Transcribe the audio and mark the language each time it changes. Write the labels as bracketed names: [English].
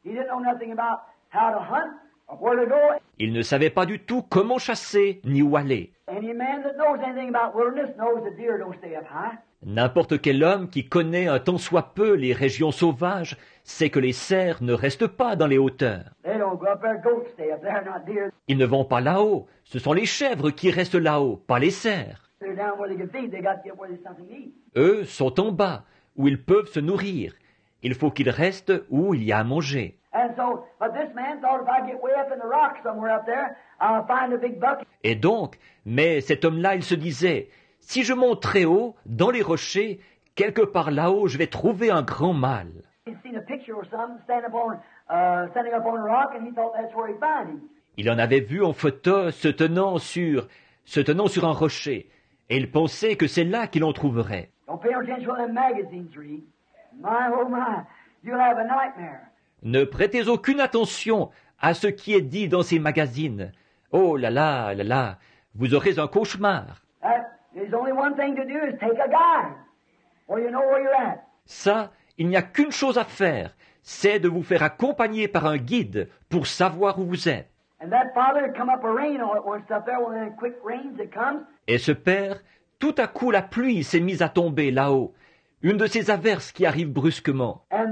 [English] He didn't know nothing about how to hunt or where to go. [French] Il ne savait pas du tout comment chasser ni où aller. [English] Any man that knows anything about wilderness knows the deer don't stay up high. [French] N'importe quel homme qui connaît un tant soit peu les régions sauvages sait que les cerfs ne restent pas dans les hauteurs. [English] They don't go up there, goats stay up there, not deer. [French] Ils ne vont pas là-haut, ce sont les chèvres qui restent là-haut, pas les cerfs. [English] They're down where they can feed. They got to get where there's something to eat. [French] Eux sont en bas, où ils peuvent se nourrir. Il faut qu'ils restent où il y a à manger. [English] And so, but this man thought if I get way up in the rocks somewhere up there, I'll find a big buck. [French] Et donc, mais cet homme-là, il se disait, si je monte très haut, dans les rochers, quelque part là-haut, je vais trouver un grand mâle. [English] He'd seen a picture or something standing up on a rock, and he thought that's where he'd find him. [French] Il en avait vu en photo, se tenant sur un rocher. Et il pensait que c'est là qu'il en trouverait. [English] Don't pay attention to them magazines, Reed. My, oh my, you'll have a nightmare. [French] Ne prêtez aucune attention à ce qui est dit dans ces magazines. Oh là là, là là, vous aurez un cauchemar. [English] There's only one thing to do is take a guide. Or you know where you're at. [French] Ça, il n'y a qu'une chose à faire, c'est de vous faire accompagner par un guide pour savoir où vous êtes. [English] And that father come up a rain all at once up there, well then quick rains it comes. [French] Et ce père, tout à coup la pluie s'est mise à tomber là-haut. Une de ces averses qui arrivent brusquement.